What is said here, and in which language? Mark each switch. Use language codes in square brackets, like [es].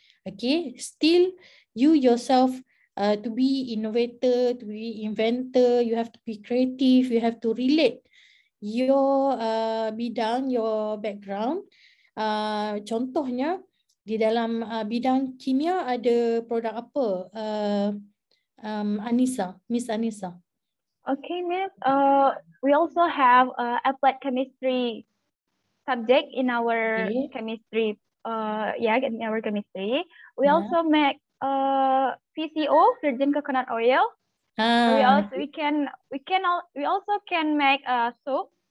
[en] Okay, still you yourself to be innovator, to be inventor, you have to be creative, you have to relate your bidang, your background. [id] Contohnya di dalam bidang kimia ada produk apa? [en] Anissa, Miss Anissa. Okay, Miss. We also have applied chemistry subject in our chemistry. In our chemistry, we also make PCO, virgin coconut oil. We also can make a soap.